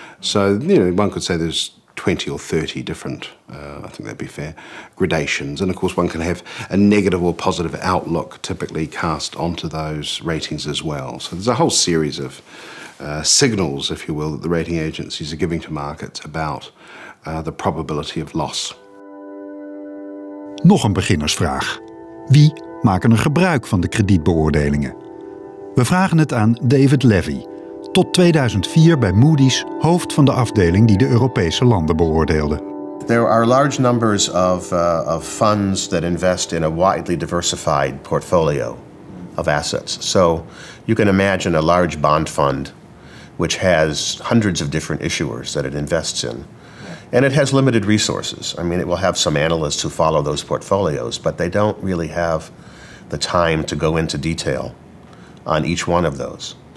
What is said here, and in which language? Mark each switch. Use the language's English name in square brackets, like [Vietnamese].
[English] So, you know, one could say there's 20 or 30 different, I think that'd be fair, gradations. And of course, one can have a negative or positive outlook typically cast onto those ratings as well. So there's a whole series of signals, if you will, that the rating agencies are giving to markets about the probability of loss. [Dutch] Nog een beginnersvraag. Wie maken er gebruik van de kredietbeoordelingen? We vragen het aan David Levy, tot 2004 bij Moody's hoofd van de afdeling die de Europese landen beoordeelde. [English] There are large numbers of funds that invest in a widely diversified portfolio of assets. So you can imagine a large bond fund which has hundreds of different issuers that it invests in. And it has limited resources. I mean, it will have some analysts who follow those portfolios, but they don't really have the time to go into detail on each one of those.